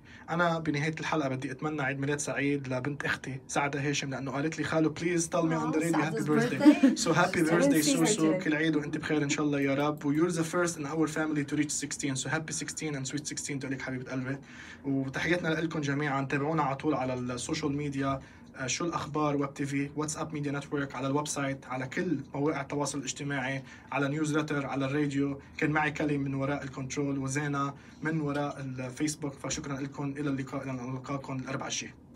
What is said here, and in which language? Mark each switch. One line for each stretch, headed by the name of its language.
Arabic: أنا بنهاية الحلقة بدي أتمنى عيد ميلاد سعيد لبنت أختي سعدة هاشم, لأنه قالت لي خالو
English: please tell me on the radio happy birthday. So happy birthday
Arabic: سوسو, كل عيد وأنت بخير إن شاء الله يا رب.
English: You're the first in our family to reach 16, so happy 16 and sweet 16
Arabic: تقوليك حبيبة قلبي. وتحياتنا لكم جميعا, تابعونا على طول على السوشيال ميديا, شو الأخبار ويب تي في, واتساب ميديا نتورك, على الويب سايت, على كل مواقع التواصل الاجتماعي, على نيوزلتر, على الراديو. كان معي كلي من وراء الكنترول وزينة من وراء الفيسبوك. فشكرا لكم, إلى اللقاء, إلى أن نلقاكم الأربعاء الجاي.